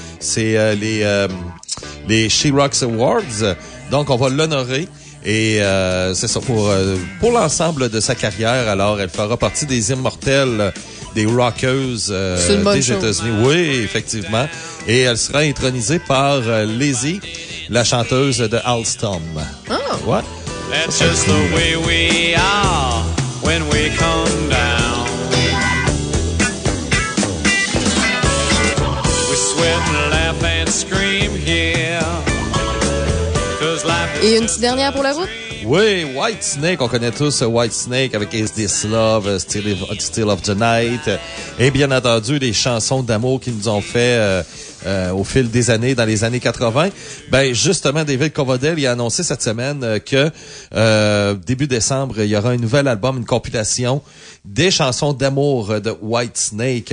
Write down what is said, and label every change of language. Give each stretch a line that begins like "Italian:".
French: C'est les She Rocks Awards. Donc on va l'honorer. Et c'est ça pour l'ensemble de sa carrière. Alors, elle fera partie des immortelles des rockeuses des États-Unis. Oui, effectivement. Et elle sera intronisée par Lizzie, la chanteuse de Alstom. Ah, ouais.
English: That's just the way we are when we come down. We sweat and laugh and scream here.
French: Et une petite dernière pour la route? Oui, White Snake. On connaît tous White Snake avec Is This Love, Still of the Night. Et bien entendu, les chansons d'amour qu'ils nous ont fait au fil des années, dans les années 80. Ben justement, David Coverdale a annoncé cette semaine que début décembre, il y aura un nouvel album, une compilation des chansons d'amour de White Snake.